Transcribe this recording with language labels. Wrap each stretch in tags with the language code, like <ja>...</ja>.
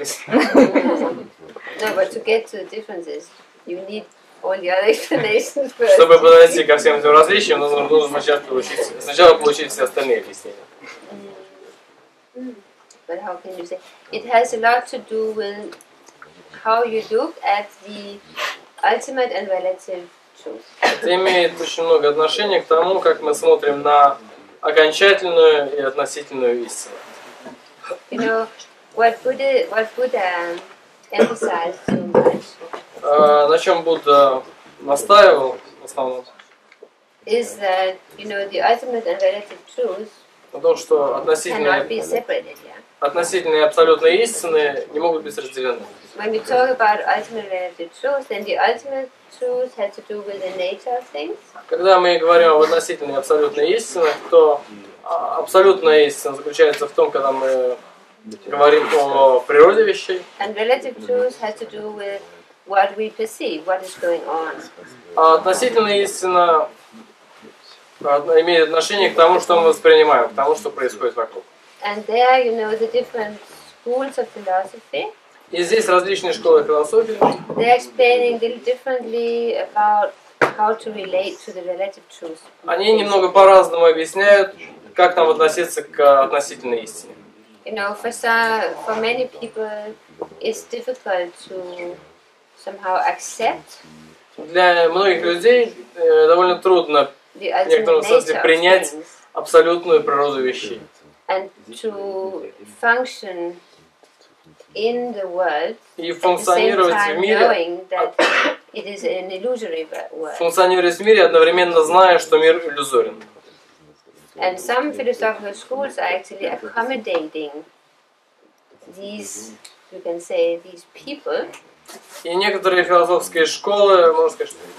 <en>No, but to get to the differences, you need all the other explanations first.</en> <ru>Чтобы подойти ко всем этим различиям, нужно сначала получить все остальные объяснения.</ru> <en>But how can you say? It has a lot to do with how you look at the ultimate and relative truth.</en> <ru>Это имеет очень много отношения к тому, как мы смотрим на окончательную и относительную истину.</ru> <en>You know what Buddha emphasized so much.</en> <ru>На чем Будда настаивал в основном?</ru> <en>Is that you know the ultimate and relative truth?</en> <ru>То, что относительные и абсолютные истины не могут быть разделены.</ru> <en>When we talk about ultimate relative truth, then the ultimate truth has to do with the nature of things.</en> <ru>Когда мы говорим об относительной и абсолютной истине, то абсолютная истина заключается в том, когда мы говорим о природе вещей.</ru> <en>And relative truth has to do with what we perceive, what is going on.</en> <ru>А относительная истина имеет отношение к тому, что мы воспринимаем, к тому, что происходит вокруг.</ru> <en>And there, you know, the different schools of philosophy.</en> <ru>И здесь различные школы философии.</ru> <en>They're explaining a little differently about how to relate to the relative truth.</en> <ru>Они немного по-разному объясняют, как нам относиться к относительной истине.</ru> <en>You know, for many people, it's difficult to somehow accept.</en> <ru>Для многих людей довольно трудно в некотором смысле принять абсолютную природу вещей.</ru> <en>and to function in the world, at the same time knowing that it is an illusory world.</en> <ru>Функционировать в мире, одновременно зная, что мир иллюзорен.</ru> <en>And some philosophical schools are actually accommodating these, you can say, these people.</en> <ru>И некоторые философские школы, можно сказать,</ru>